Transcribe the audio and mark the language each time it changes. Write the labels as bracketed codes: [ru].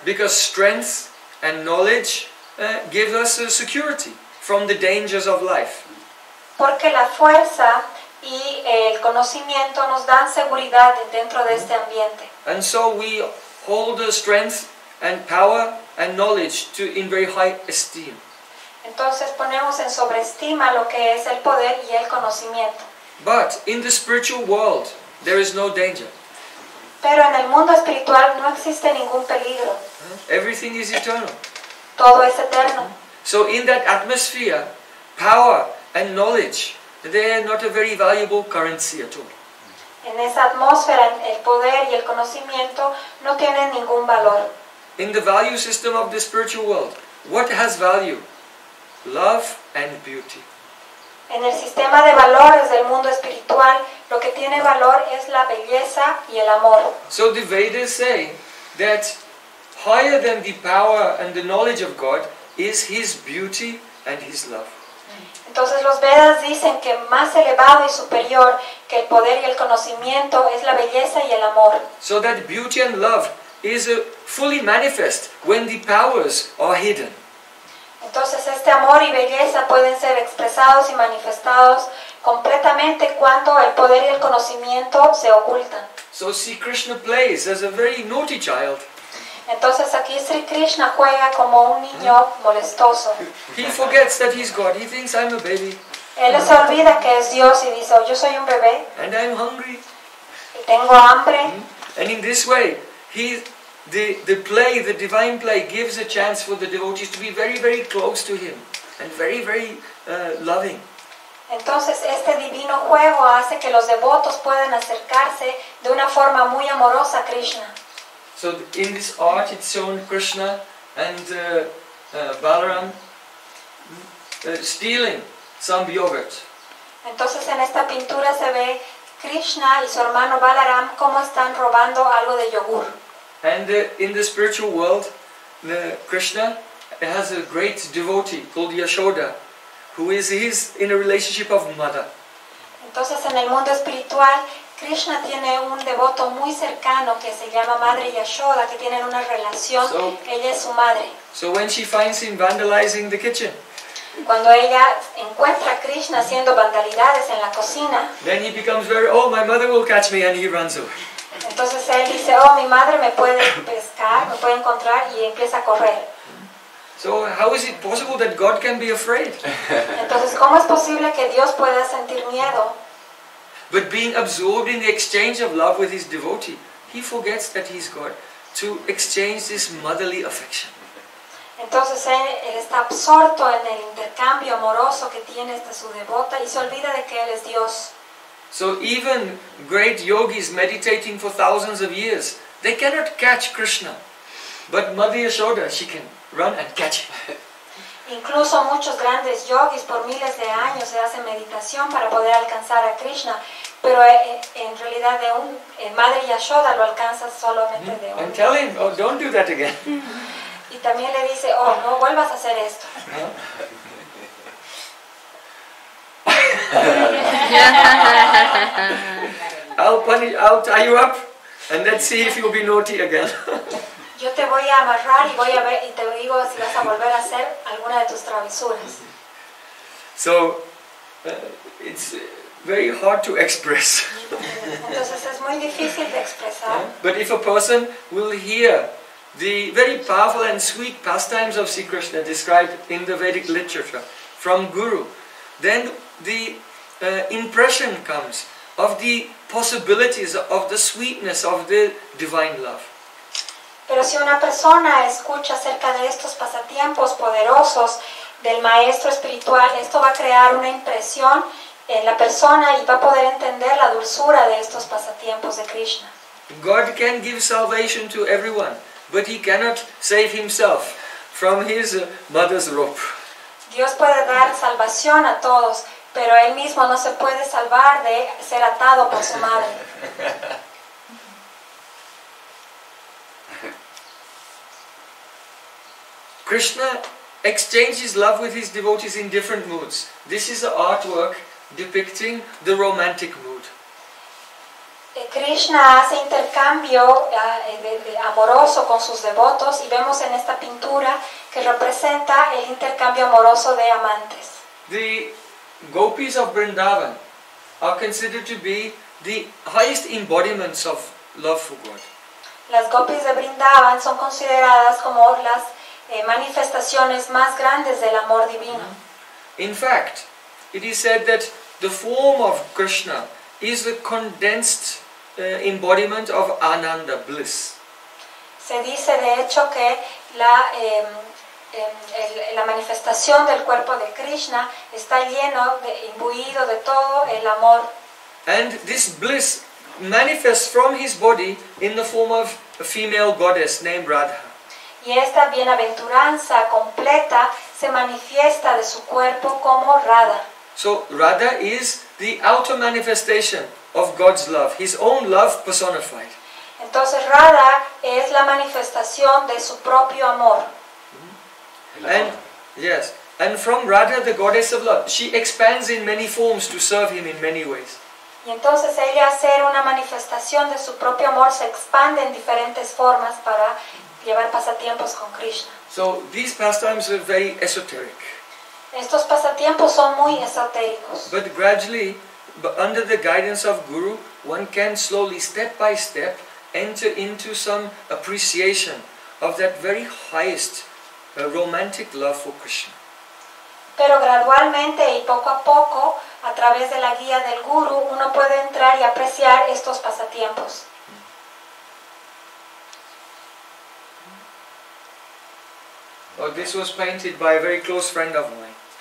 [en] Because strength and knowledge give us security from the dangers of life. [es] Porque la fuerza y el conocimiento nos dan seguridad dentro de este ambiente. [en] And so we hold the strength and power and knowledge to in very high esteem. [es] Entonces ponemos en sobreestima lo que es el poder y el conocimiento. [en] But in the spiritual world, there is no danger. [es] Pero en el mundo espiritual no existe ningún peligro. [en] Everything is eternal. [es] Todo es eterno. [en] So in that atmosphere, power and knowledge, they are not a very valuable currency at all. [es] En esa atmósfera, el poder y el conocimiento no tienen ningún valor. [en] In the value system of the spiritual world, what has value? Love and beauty. [es] En el sistema de valores del mundo espiritual, lo que tiene valor es la belleza y el amor. [en] So the Vedas say that higher than the power and the knowledge of God is His beauty and His love. [es] Entonces los Vedas dicen que más elevado y superior que el poder y el conocimiento es la belleza y el amor. [en] So that beauty and love is fully manifest when the powers are hidden. [es] Entonces este amor y belleza pueden ser expresados y manifestados completamente cuando el poder y el conocimiento se ocultan. [en] So see, Krishna plays as a very naughty child. [es] Entonces aquí Sri Krishna juega como un niño molestoso. [en] He forgets that he's God. He thinks I'm a baby. [es] Él se olvida que es Dios y dice, yo soy un bebé. [en] And I'm hungry. [es] Y tengo hambre. [en] And in this way, the divine play gives a chance for the devotees to be very, very close to him and very, very loving. [es] Entonces este divino juego hace que los devotos puedan acercarse de una forma muy amorosa a Krishna. [en] So in this art it's shown Krishna and Balaram stealing some yogurt. [es] Entonces en esta pintura se ve Krishna y su hermano Balaram cómo están robando algo de yogur. [en] And in the spiritual world, Krishna has a great devotee called Yashoda, who is his in a relationship of mother. [es] Entonces en el mundo espiritual Krishna tiene un devoto muy cercano que se llama Madre Yashoda, que tienen una relación. So, ella es su madre. [en] So when she finds him vandalizing the kitchen, [es] cuando ella encuentra a Krishna haciendo vandalidades en la cocina, [en] then he becomes very, oh, my mother will catch me, and he runs away. [es] Entonces él dice, oh, mi madre me puede pescar, me puede encontrar, y empieza a correr. [en] So how is it possible that God can be afraid? [es] Entonces, ¿cómo es posible que Dios pueda sentir miedo? [en] But being absorbed in the exchange of love with his devotee, he forgets that he's God, to exchange this motherly affection. [es] Entonces él está absorto en el intercambio amoroso que tiene esta su devota y se olvida de que él es Dios. [en] So even great yogis meditating for thousands of years, they cannot catch Krishna. But Mother Yashoda, she can run and catch him. [es] Incluso muchos grandes yogis por miles de años se hacen meditación para poder alcanzar a Krishna, pero en realidad de un Madre Yashoda lo alcanza solamente de un. [en] And tell him, oh, don't do that again. [es] Y también le dice, oh, no vuelvas a hacer esto. [en] I'll punish, I'll tie you up, and let's see if you'll be naughty again. [es] Yo te voy a amarrar y voy a ver y te digo si vas a volver a hacer alguna de tus travesuras. [en] So, it's very hard to express. [es] Entonces es muy difícil de expresar. Yeah? [en] But if a person will hear the very powerful and sweet pastimes of Sri Krishna described in the Vedic literature from Guru, then the impression comes of the possibilities of the sweetness of the divine love. [es] Pero si una persona escucha acerca de estos pasatiempos poderosos del maestro espiritual, esto va a crear una impresión en la persona y va a poder entender la dulzura de estos pasatiempos de Krishna. [en] God can give salvation to everyone, but he cannot save himself from his mother's rope. [es] Dios puede dar salvación a todos, pero él mismo no se puede salvar de ser atado por su madre. [en] Krishna exchanges love with his devotees in different moods. This is an artwork depicting the romantic mood. [es] Krishna hace intercambio de amoroso con sus devotos y vemos en esta pintura que representa el intercambio amoroso de amantes. [en] The gopis of Vrindavan are considered to be the highest embodiments of love for God. [es] Las gopis de Vrindavan son consideradas como las manifestaciones más grandes del amor divino. [en] In fact, it is said that the form of Krishna is the condensed embodiment of Ananda bliss. [es] Se dice de hecho que la manifestación del cuerpo de Krishna está lleno de, imbuido de todo el amor. [en] And this bliss manifests from his body in the form of a female goddess named Radha. [es] Y esta bienaventuranza completa se manifiesta de su cuerpo como Radha. [en] So Radha is the outer manifestation of God's love, his own love personified. [es] Entonces Radha es la manifestación de su propio amor. [en] And yes, and from Radha, the goddess of love, she expands in many forms to serve him in many ways. [es] Y entonces ella, ser una manifestación de su propio amor, se expande en diferentes formas para llevar pasatiempos con Krishna. [en] So these pastimes are very esoteric. [es] Estos pasatiempos son muy esotéricos. [en] But gradually, under the guidance of Guru, one can slowly, step by step, enter into some appreciation of that very highest romantic love for Krishna. [es] Pero gradualmente y poco a poco, a través de la guía del Guru, uno puede entrar y apreciar estos pasatiempos. [en] Oh, this was painted by a very close friend of mine.